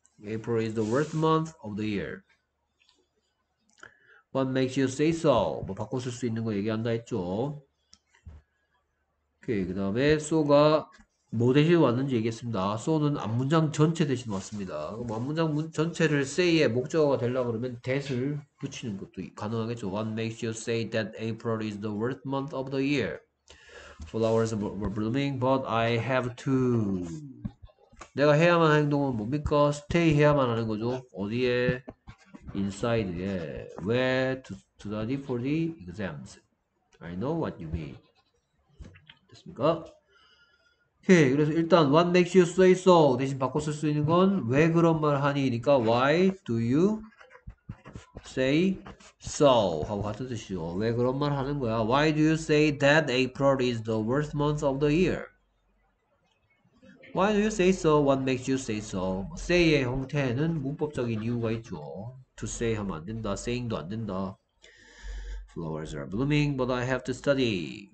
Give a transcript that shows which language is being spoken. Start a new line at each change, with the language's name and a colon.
English: April is the worst month of the year. What makes you say so?
Korean: 뭐 바꿔 쓸수 있는 거 얘기한다 했죠. 오케이, 그 다음에 so가 뭐 대신 왔는지 얘기했습니다. so는 앞문장 전체 대신 왔습니다. 그럼 앞문장 전체를 say의 목적어가 되려고 그러면 that을 붙이는 것도 가능하겠죠.
English: What makes you say that April is the worst month of the year? Flowers were blooming, but I have to.
Korean: 내가 해야만 하는 행동은 뭡니까? stay 해야만 하는 거죠. 어디에? inside에.
English: where to study for the exams? I know what you mean. 됐습니까? 오케이.
Korean: 그래서 일단
English: what makes you say so
Korean: 대신 바꿔 쓸수 있는 건왜 그런 말 하니니까
English: why do you say so
Korean: 하고 같은 뜻이죠. 왜 그런 말 하는 거야?
English: Why do you say that April is the worst month of the year? Why do you say so? What makes you say so?
Korean: say의 형태에는 문법적인 이유가 있죠. to say 하면 안 된다. saying도 안 된다.
English: Flowers are blooming, but I have to study.